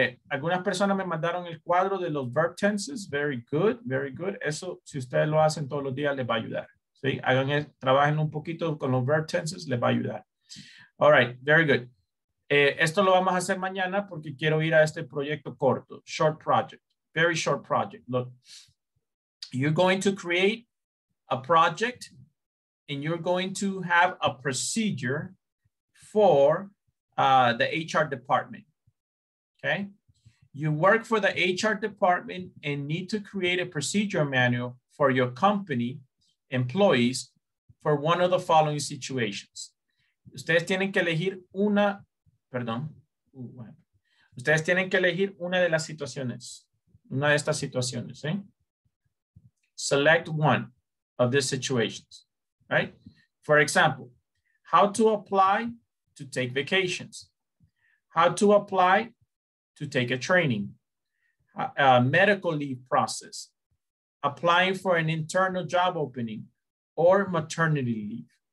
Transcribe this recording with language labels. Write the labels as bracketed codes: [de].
[es] Algunas personas me mandaron el cuadro de los verb tenses. [en] Very good, very good. [es] Eso, si ustedes lo hacen todos los días, les va a ayudar. ¿Sí? Hagan el, trabajen un poquito con los verb tenses, les va a ayudar. [en] All right, very good. [es] Esto lo vamos a hacer mañana porque quiero ir a este proyecto corto. [en] Short project, very short project. Look, you're going to create a project and you're going to have a procedure for the HR department. Okay, you work for the HR department and need to create a procedure manual for your company employees for one of the following situations. [es] Ustedes tienen que elegir una, perdón, ustedes tienen que elegir una de las situaciones, una de estas situaciones, ¿sí? [en] Select one of these situations, right? For example, how to apply to take vacations, how to apply to take a training, a medical leave process, applying for an internal job opening, or maternity leave.